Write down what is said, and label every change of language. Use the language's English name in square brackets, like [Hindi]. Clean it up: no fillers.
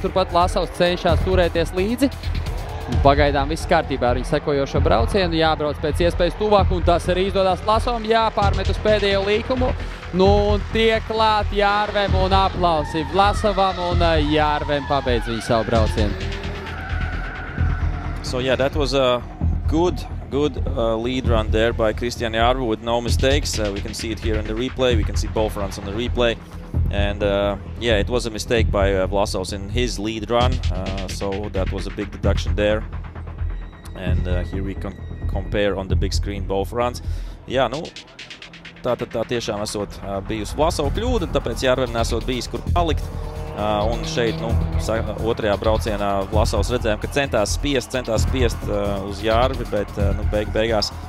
[Latvian] Turpat Vlasovs cenšās turēties līdzi. Pagaidām viss kārtībā ar viņu sekojošo braucienu, jābrauc pēc iespējas tuvāk, un tas arī izdodas Vlasovam, jāpārmet uz pēdējo līkumu. Nu, un tiek klāt Jārvem un aplausi Vlasovam, un Jārvem pabeidz viņu savu braucienu. [English] So, yeah, that was a good lead run there by Kristijan Jārve with no mistakes. We can see it here in the replay, we can see both runs on the replay. And yeah, it was a mistake by Vlasovs in his lead run, so that was a big deduction there. And here we can compare on the big screen both runs. [Latvian] Yeah, nu, tā tiešām esot bijusi Vlasova kļūda, tāpēc Jārvem nesot bijis kur palikt. Un šeit, nu, otrajā braucienā Vlasovs redzējām, ka centās spiest uz Jārvi, bet nu, beigās.